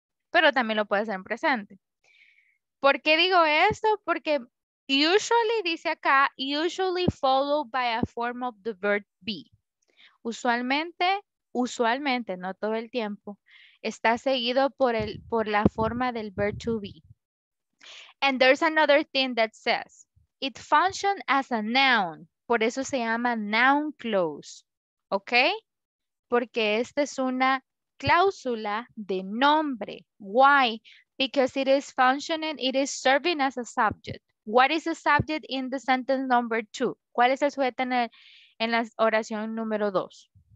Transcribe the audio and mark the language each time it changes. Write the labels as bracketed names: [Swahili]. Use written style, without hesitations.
[Spanish] Pero también lo puede hacer en presente. ¿Por qué digo esto? [English] Porque usually, [Spanish] dice acá, [English] usually followed by a form of the verb be. [Spanish] Usualmente, no todo el tiempo, está seguido por la forma del verb to be. [English] And there's another thing that says, it functions as a noun. [Spanish] Por eso se llama noun clause, ¿ok? Porque esta es una cláusula de nombre. [English] Why? Because it is functioning, it is serving as a subject. What is the subject in the sentence number two? [Spanish] ¿Cuál es el sujeto en la oración número dos?